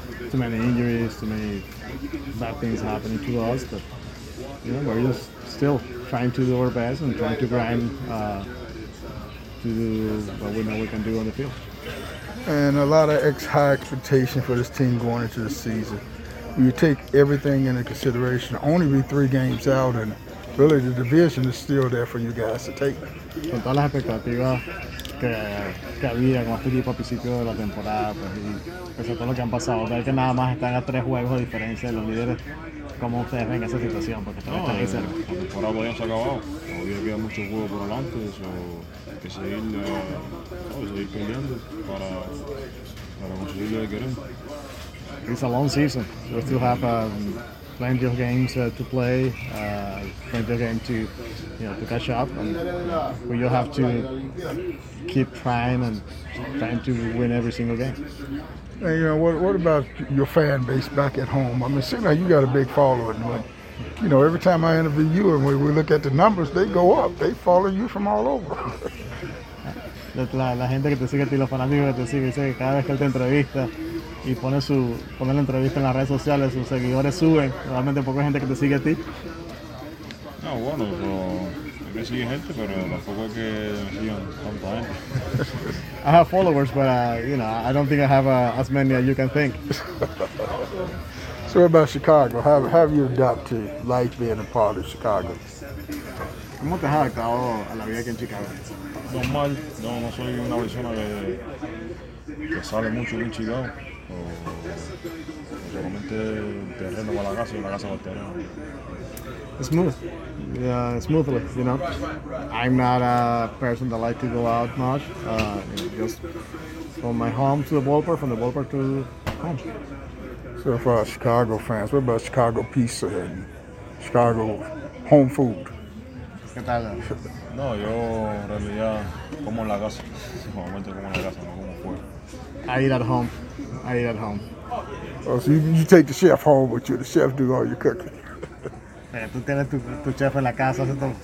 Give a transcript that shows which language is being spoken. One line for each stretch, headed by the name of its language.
English: Too many injuries, too many bad things happening to us, but you know, we're just still trying to do our best and trying to grind to do what we know we can do on the field. And a lot of high expectation for this team going into the season. You take everything into consideration, only be 3 games out, and really the division is still there for you guys to take.
Spanish: Con todas las expectativas que había con este equipo al principio de la temporada, pues, y pese a todo lo que han pasado, ver que nada más están a 3 juegos de diferencia de los líderes, ¿cómo ustedes ven esa situación? Porque están ahí cerca. La temporada todavía se ha acabado, todavía queda mucho juego por delante, eso hay que seguir peleando para conseguir lo que queremos.
English: It's a long season. We still have plenty of games to play, plenty of games to catch up, and we just have to keep trying and trying to win every single game. And you know, what about your fan base back at home? I mean, it seems like you got a big following, but you know, every time I interview you and we look at the numbers, they go up. They follow you from all over.
Spanish: La gente que te sigue, los fanáticos que te siguen, dice que cada vez que él te entrevista y pone la entrevista en las redes sociales, sus seguidores suben. Realmente poco hay gente que te sigue a ti. No, bueno, me sigue gente, pero tampoco que me sigan tanta gente.
English: I have followers, but you know, I don't think I have as many as you can think. So what about Chicago? How have you adapted to life being a part of Chicago?
Spanish: ¿Cómo te has adaptado a la vida aquí en Chicago? Normal. No soy una persona que sale mucho en Chicago. Normalmente terreno para la casa y la casa para el terreno.
English: Smooth. Yeah, smoothly, you know. I'm not a person that likes to go out much. Just from my home to the ballpark, from the ballpark to home. So for our Chicago fans, what about Chicago pizza and Chicago home food?
Spanish: No, yo en realidad como en la casa. Normalmente como en la casa, no como fuera.
English: I eat at home. Oh, so you take the chef home with you. The chef do all your cooking.
Spanish: Tú tienes tu chef en la casa, ¿sí?